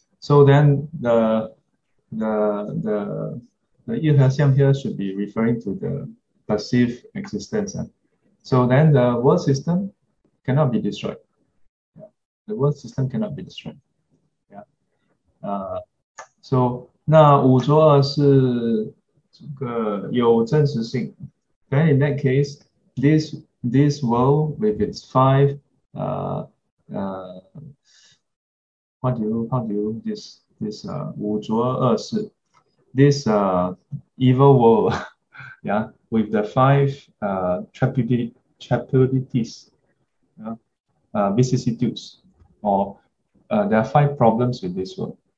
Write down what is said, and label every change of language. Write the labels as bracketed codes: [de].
[en] So then the 一合相 here should be referring to the perceived existence. So then the world system cannot be destroyed. Yeah. The world system cannot be destroyed. Yeah. [zh] So 那五浊二世这个有真实性. [en] Then in that case, this world with its five evil world, yeah, with the five trepidities, vicissitudes, or there are five problems with this world.